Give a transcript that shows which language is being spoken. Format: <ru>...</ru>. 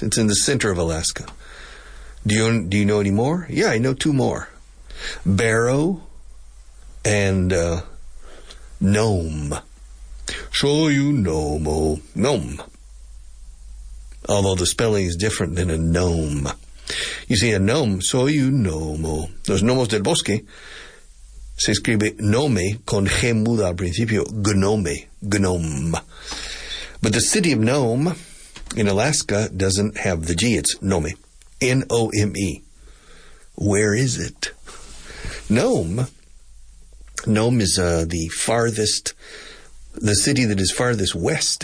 <en>It's in the center of Alaska. Do you know any more? Yeah, I know two more. Barrow and Nome. Show you Nome. Nome. Although the spelling is different than a gnome. You see, a gnome, so you gnomo.</en> <es>Los gnomos del bosque se escribe gnome con G muda al principio.</es> <en>Gnome, gnome. But the city of Nome in Alaska doesn't have the G. It's Nome. N-O-M-E. Where is it? Nome. Nome is the city that is farthest west.</en>